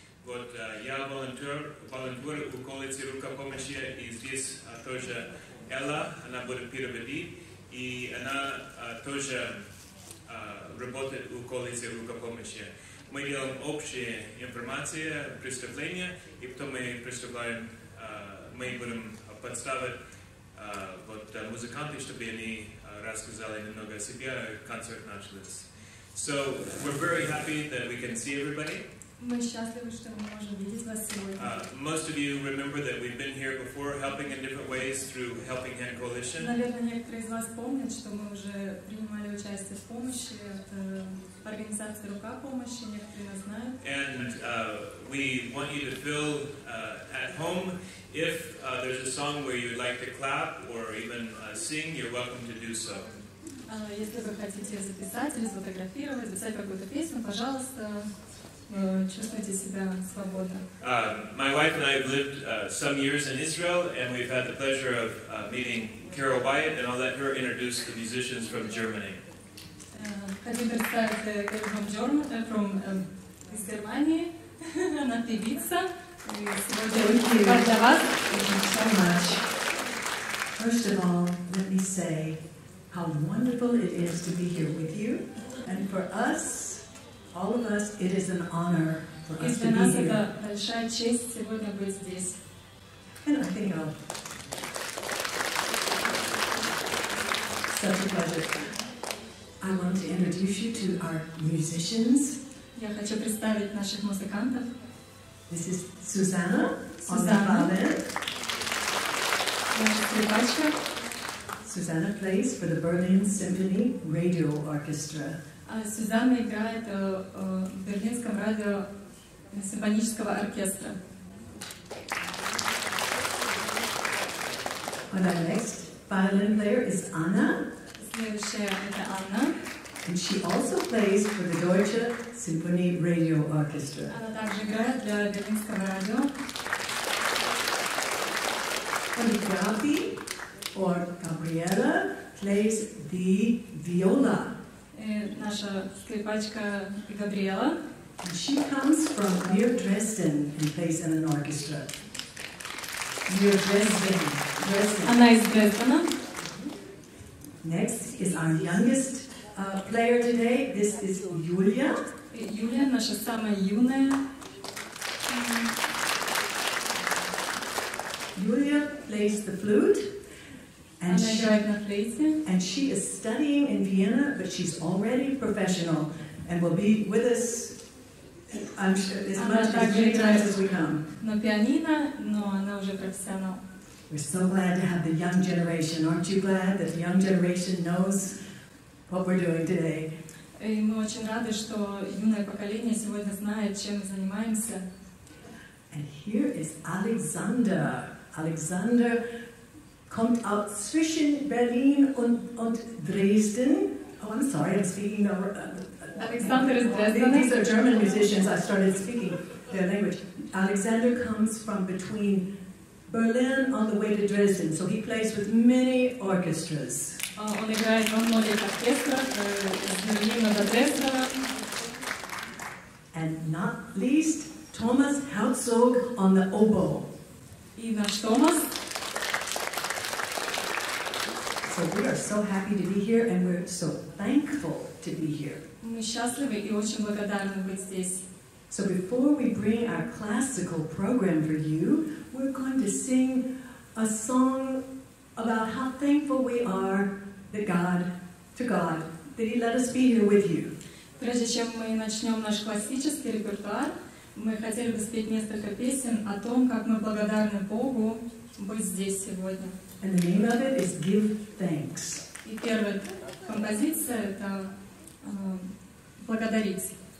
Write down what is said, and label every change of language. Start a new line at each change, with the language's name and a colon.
Russian: Вот я волонтер в колледже рукопомощи, и здесь тоже Элла, она будет переводить, и она тоже работает в колледже рукопомощи. Мы делаем общие информации, представления, и потом мы представляем, мы будем подставить вот, музыканты, чтобы они рассказали немного о себе, концерт начался.
English: So, we're very happy that we can see everybody.
Russian: Мы счастливы, что мы можем видеть вас сегодня.
English: Most of you remember that we've been here before, helping in different ways through Helping Hand Coalition.
Russian: Наверное, некоторые из вас помнят, что мы уже принимали участие в помощи от организации «Рука помощи», некоторые нас знают.
English: And we want you to feel at home. If there's a song where you'd like to clap or even sing, you're welcome to do so.
Russian: Если вы хотите записать или сфотографировать, записать какую-то песню, пожалуйста. Чувствуйте себя свободно.
English: My wife and I have lived some years in Israel, and we've had the pleasure of meeting Carol Byatt, and I'll let her introduce the musicians from Germany.
Russian: Хотим представить Кэролайн Джорман
English: from
Russian: из Германии. Она певица. Сегодня для вас.
English: Thank you so much. First of all, let me say how wonderful it is to be here with you, and for us. All of us, it is an honor for us to be here.
Russian: Это большая честь сегодня быть здесь.
English: And I think of such a pleasure. I want to introduce you to our musicians.
Russian: Я хочу представить наших музыкантов.
English: This is Susanna, Susanna. On the violin.
Russian: Наша скрипачка.
English: Susanna plays for the Berlin Symphony Radio Orchestra.
Russian: Сюзанна играет в Берлинском радио симфонического оркестра.
English: And our next violin player is Anna.
Russian: Следующая это Анна.
English: And she also plays for the Deutsche Symphony Radio Orchestra.
Russian: Она также играет для Берлинского радио.
English: And Gabi, or Gabriella, plays the viola.
Russian: Наша скрипачка Габриэла.
English: She comes from near Dresden and plays in an orchestra. Near Dresden. Dresden.
Russian: Она из Дрездена.
English: Next is our youngest player today. This is Юлия.
Russian: Юлия, наша самая юная.
English: Юлия plays the flute. And she is studying in Vienna, but she's already professional and will be with us, I'm sure, as much as many times as we come.
Russian: На пианино, но она уже профессионал.
English: We're so glad to have the young generation. Aren't you glad that the young generation knows what we're doing today?
Russian: Мы очень рады, что юное поколение сегодня знает, чем мы занимаемся.
English: And here is Alexander.
German: Alexander kommt aus zwischen Berlin und Dresden.
English: Oh, I'm sorry, I'm speaking over. Alexander is Dresden. These are German musicians. I started speaking their language. Alexander comes from between Berlin on the way to Dresden, so he plays with many orchestras.
Russian: Он играет во многих оркестрах из Берлина до Дрездена.
English: And not least, Thomas Herzog on the oboe.
Russian: И наш Томас.
English: So we are so happy to be here, and we're so thankful to be here.
Russian: Мы счастливы и очень благодарны быть здесь.
English: So before we bring our classical program for you, we're a song about how thankful we are that God, to God, that He let us be here with you.
Russian: Прежде чем мы начнем наш классический репертуар, мы хотели бы спеть несколько песен о том, как мы благодарны Богу быть здесь сегодня.
English: And the name of it is Give Thanks.
Russian: И первая композиция — это «Благодарить».